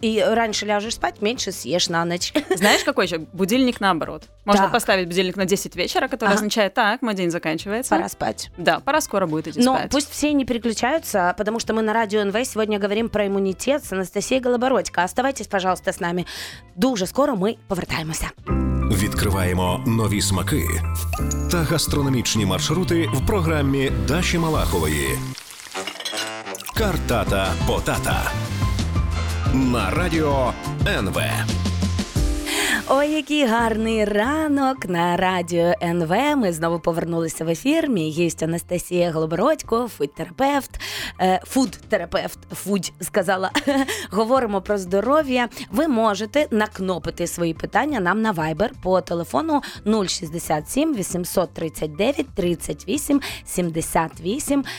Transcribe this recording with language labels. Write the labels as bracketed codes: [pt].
[ru] И раньше ляжешь спать, меньше съешь на ночь. Знаешь, какой еще? Будильник наоборот. Можно так. поставить будильник на 10 вечера, который означает, так, мой день заканчивается. Пора спать. Да, пора скоро будет идти Но спать. Но пусть все не переключаются, потому что мы на Радио НВ сегодня говорим про иммунитет с Анастасией Голобородько. Оставайтесь, пожалуйста, с нами. [uk] Дуже скоро ми повертаємося. Відкриваємо нові смаки та гастрономічні маршрути в програмі Даші Малахової. Картата потата на радіо НВ. Ой, який гарний ранок на радіо НВ. Ми знову повернулися в ефір. Мій гість Анастасія Голобородько, фуд-терапевт. Фуд-терапевт, фудь сказала. Говоримо про здоров'я. Ви можете накнопити свої питання нам на Viber по телефону 067-839-38-78.